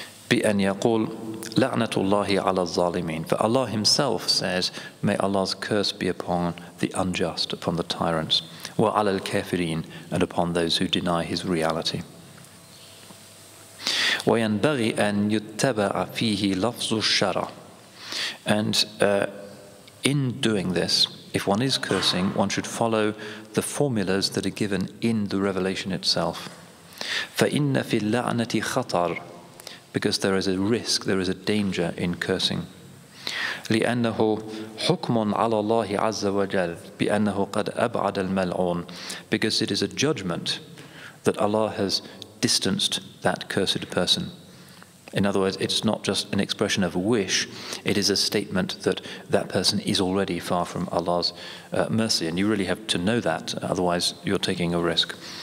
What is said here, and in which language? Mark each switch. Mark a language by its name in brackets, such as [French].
[Arabic] بأن يقول لعنة الله على الظالمين. [English] For Allah himself says, may Allah's curse be upon the unjust, upon the tyrants. [Arabic] وعلى الكافرين, [English] and upon those who deny his reality. [Arabic] وينبغي أن يتبع فيه لفظ الشرع. [English] And in doing this, if one is cursing, one should follow the formulas that are given in the revelation itself. [Arabic] فإن في اللعنة خطر. [English] Because there is a risk, there is a danger in cursing. [Arabic] لأنه حكم على الله عز وجل بأنه قد أبعد الملعون. [English] Because it is a judgment that Allah has distanced that cursed person. In other words, it's not just an expression of a wish, it is a statement that that person is already far from Allah's mercy. And you really have to know that, otherwise you're taking a risk.